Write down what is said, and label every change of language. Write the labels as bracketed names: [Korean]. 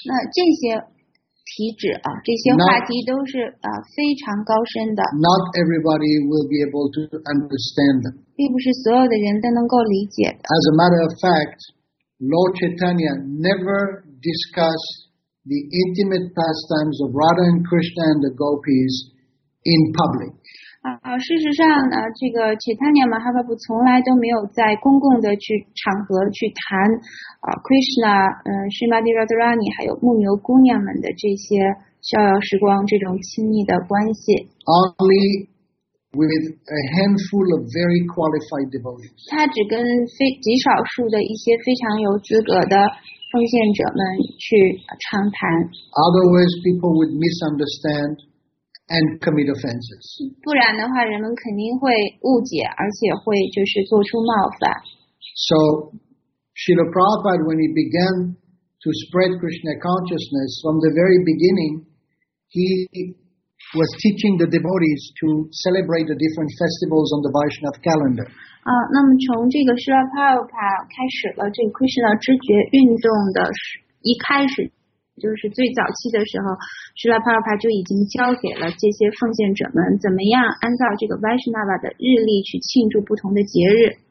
[Chinese] 那这些题旨啊，这些话题都是非常高深的。 [English] Not everybody will be able to understand them. [Chinese] 并不是所有的人都能够理解的。 [English] As a matter of fact, Lord Chaitanya never discussed the intimate pastimes of Radha and Krishna and the gopis in public. [Chinese] 事实上呢，这个 Chaitanya Mahaprabhu 从来都没有在公共的去场合去谈Krishna, Srimati Radharani 还有牧牛姑娘们的这些逍遥时光这种亲密的关系。 [English] Only with a handful of very qualified devotees. [Chinese] 他只跟非极少数的一些非常有资格的奉献者们去畅谈。 [English] Otherwise, people would misunderstand and commit offenses. [Chinese] 不然的话，人们肯定会误解，而且会就是做出冒犯。 [English] So, Srila Prabhupada, when he began to spread Krishna consciousness from the very beginning, he was teaching the devotees to celebrate the different festivals on the Vaishnava calendar. [Chinese] 那么从这个 Srila Prabhupada 开始了这个 Krishna 知觉运动的一开始，就是最早期的时候， Srila Prabhupada 就已经教给了这些奉献者们怎么样按照这个 Vaishnava 的日历去庆祝不同的节日。